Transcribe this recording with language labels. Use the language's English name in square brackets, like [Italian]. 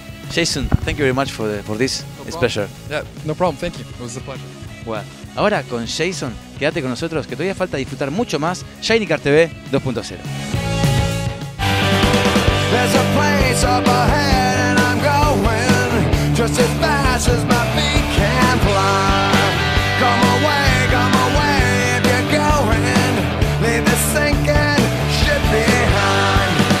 [English] Jason, thank you very much for this. No problem. It's a pleasure. Yeah, no problem. Thank you. It was a pleasure. Well, [Spanish] Ahora con Jason, quédate con nosotros que todavía falta disfrutar mucho más Shiny Car TV 2.0. [English] There's a place up ahead and I'm going just as fast as my feet can fly. Come away if you're going, leave the sinking ship behind.